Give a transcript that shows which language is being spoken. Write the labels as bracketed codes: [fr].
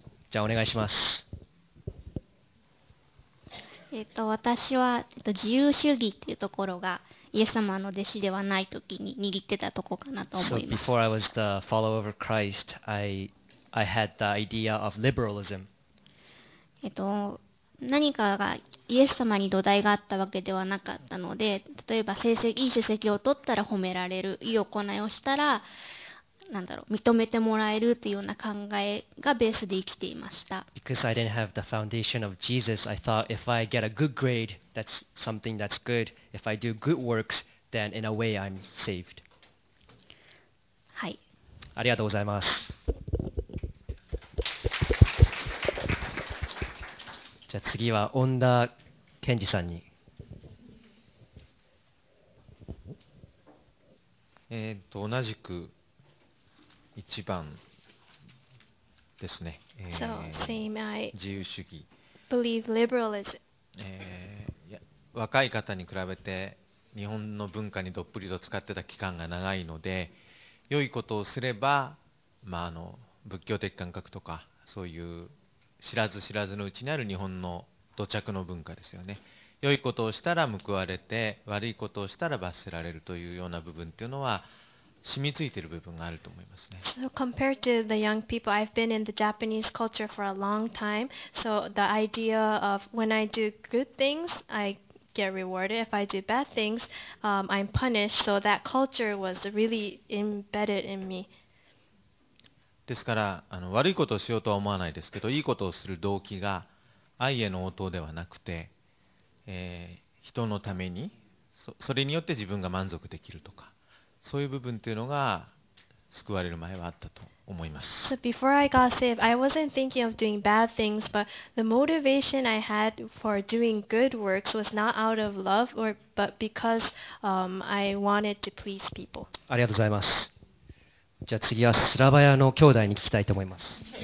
[ja] じゃあお願いします。私は自由主義というところがイエス様の弟子ではないときに握ってたところかなと思います。 [en] So before I was the follower of Christ, I had the idea of liberalism. [ja] 何かがイエス様に土台があったわけではなかったので、例えば成績、いい成績を取ったら褒められる、いい行いをしたら、なんだろう、認めてもらえるというような考えがベースで生きていました。 [en] Because I didn't have the foundation of Jesus, I thought if I get a good grade, that's something that's good. If I do good works, then in a way I'm saved. [ja] はい。ありがとうございます。じゃあ次は恩田健二さんに。同じく。一番ですね。 [en] So, same, I [ja] 自由主義。 [en] Believe liberalism. [ja] 若い方に比べて日本の文化にどっぷりと使ってた期間が長いので、良いことをすれば、まあ、仏教的感覚とかそういう知らず知らずのうちにある日本の土着の文化ですよね。良いことをしたら報われて、悪いことをしたら罰せられるというような部分というのは染み付いている部分があると思いますね。 [en] So compared to the young people, I've been in the Japanese culture for a long time. So the idea of when I do good things, I get rewarded. If I do bad things, I'm punished. So that culture was really embedded in me. [ja] ですから悪いことをしようとは思わないですけど、いいことをする動機が愛への応答ではなくて、人のために、それによって自分が満足できるとか。そういう部分というのが救われる前はあったと思います。 [en] So before I got saved, I wasn't thinking of doing bad things, but the motivation I had for doing good works was not out of love, but because I wanted to please people. [ja] ありがとうございます。じゃあ次はスラバヤの兄弟に聞きたいと思います。